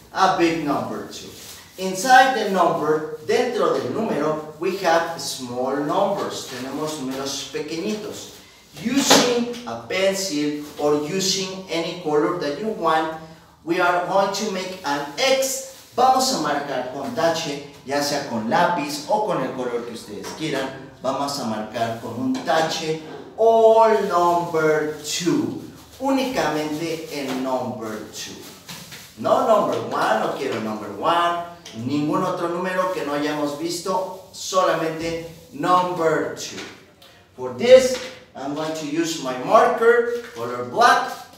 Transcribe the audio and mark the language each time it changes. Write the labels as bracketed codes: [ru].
[en] A big number two. Inside the number, [es] dentro del número, [en] we have small numbers. [es] Tenemos números pequeñitos. [en] Using a pencil or using any color that you want, we are going to make an X. [es] Vamos a marcar con tache, ya sea con lápiz o con el color que ustedes quieran. Vamos a marcar con un tache [en] all number two. [es] Únicamente el [en] number two. No number one, [es] no quiero [en] number one. [es] Ningún otro número que no hayamos visto, solamente [en] number two. For this, I'm going to use my marker, color black.